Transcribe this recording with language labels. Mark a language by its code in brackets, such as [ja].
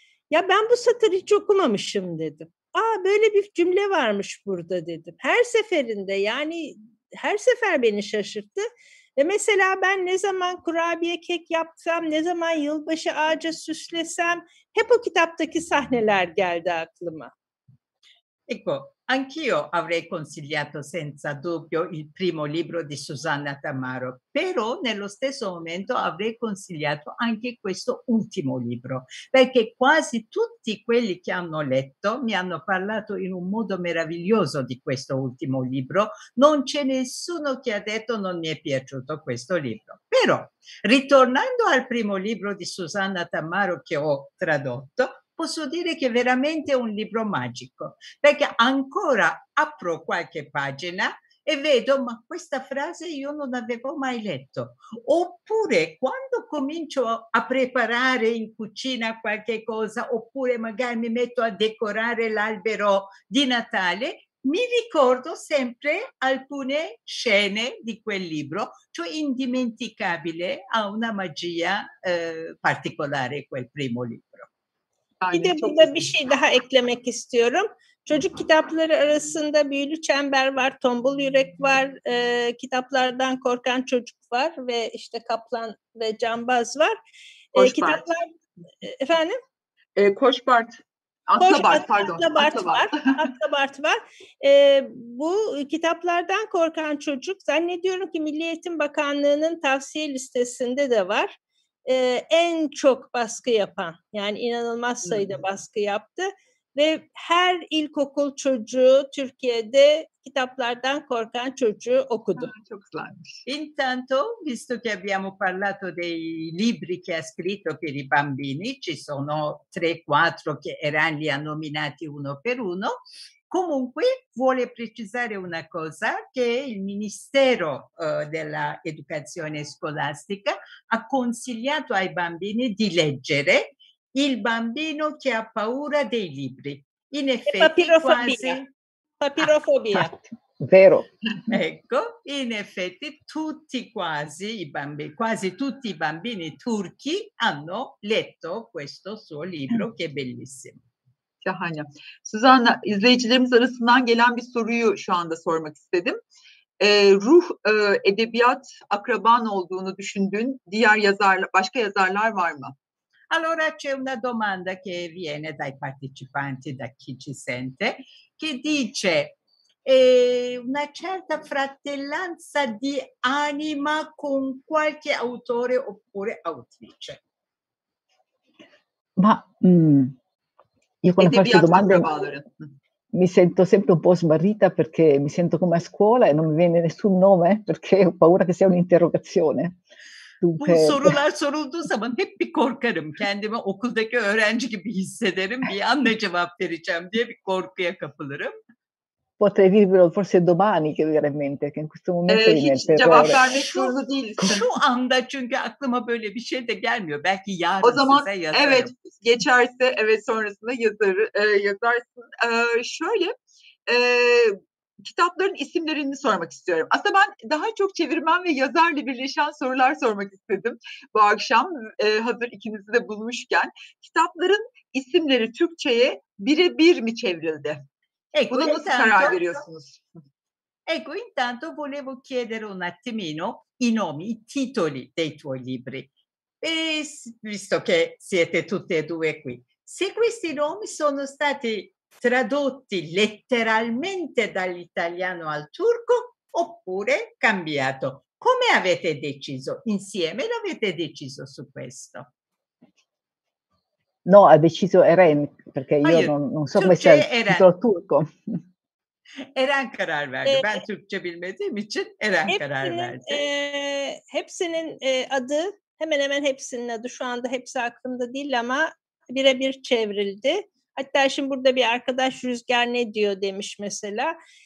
[tr] Ya ben bu satırı hiç okumamışım dedim. Aa böyle bir cümle varmış burada dedim. Her seferinde yani her sefer beni şaşırttı. Ve mesela ben ne zaman kurabiye kek yapsam, ne zaman yılbaşı ağacı süslesem hep o kitaptaki sahneler geldi aklıma. [it] Ecco, anch'io avrei consigliato senza dubbio il primo libro di Susanna Tamaro, però nello stesso momento avrei consigliato anche questo ultimo libro, perché quasi tutti quelli che hanno letto mi hanno parlato in un modo meraviglioso di questo ultimo libro, non c'è nessuno che ha detto non mi è piaciuto questo libro. Però, ritornando al primo libro di Susanna Tamaro che ho tradotto, posso dire che veramente è un libro magico, perché ancora apro qualche pagina e vedo, ma questa frase io non avevo mai letto. Oppure quando comincio a preparare in cucina qualche cosa, oppure magari mi metto a decorare l'albero di Natale, mi ricordo sempre alcune scene di quel libro, cioè indimenticabile, ha una magia particolare quel primo libro. [tr] Bir de burada bir şey daha eklemek istiyorum. Çocuk kitapları arasında Büyülü Çember var, Tombul Yürek var, Kitaplardan Korkan Çocuk var ve işte Kaplan ve Cambaz var. Kitaplar efendim? Koşbart. Atlabart var. Bu kitaplardan Korkan Çocuk zannediyorum ki Milli Eğitim Bakanlığı'nın tavsiye listesinde de var. En çok baskı yapan, yani inanılmaz sayıda baskı yaptı ve her ilkokul çocuğu Türkiye'de Kitaplardan Korkan Çocuğu okudu. Çok güzelmiş. [it] Intanto, visto che abbiamo parlato dei libri che ha scritto per i bambini, ci sono 3-4 che erano li ha nominati uno per uno. Comunque vuole precisare una cosa, che il Ministero dell'Educazione Scolastica ha consigliato ai bambini di leggere Il bambino che ha paura dei libri. In effetti, papirofobia. Quasi... Papirofobia. Vero. Ecco, in effetti tutti quasi i bambini, quasi tutti i bambini turchi hanno letto questo suo libro che è bellissimo. [tr] Şahane. Suzanna, izleyicilerimiz arasından gelen bir soruyu şu anda sormak istedim. Ruh edebiyat akraban olduğunu düşündüğün diğer yazarlar, başka yazarlar var mı? [it] Allora c'è una domanda che viene dai partecipanti, da chi ci sente, che dice una certa fratellanza di anima con qualche autore oppure autrice. Ma io quando faccio domande mi sento sempre un po' smarrita perché mi sento come a scuola e non mi viene nessun nome perché ho paura che sia un'interrogazione. [tr] Bu sorular sorulduğu zaman hep bir korkarım. Kendimi okuldaki öğrenci gibi hissederim. Bir an ne cevap vereceğim diye bir korkuya kapılırım. [it] Potrei dirvelo forse domani che veramente che in questo momento [tr] hiç cevap vermek zorunda değilsin. Şu anda çünkü aklıma böyle bir şey de gelmiyor. Belki yarın size yazarım. O zaman evet geçerse evet sonrasında yazarsın. Şöyle kitapların isimlerini sormak istiyorum. Aslında ben daha çok çevirmen ve yazarla birleşen sorular sormak istedim bu akşam hazır ikinizi de bulmuşken. Kitapların isimleri Türkçe'ye birebir mi çevrildi? Buna nasıl karar veriyorsunuz? [it] Ecco intanto volevo chiedere un attimino i nomi, i titoli dei tuoi libri. E visto che siete tutte e due qui, se questi nomi sono stati tradotti letteralmente dall'italiano al turco oppure cambiato? Come avete deciso? Insieme l'avete deciso su questo? No, ha deciso Eren, perché io non so come sia il titolo turco. [tr] Eren karar verdi. Ben Türkçe bilmediğim için Eren karar verdi. Hepsinin adı, hemen hemen hepsinin adı şu anda hepsi aklımda değil ama birebir çevrildi. Hatta şimdi burada bir arkadaş Rüzgar ne diyor demiş mesela.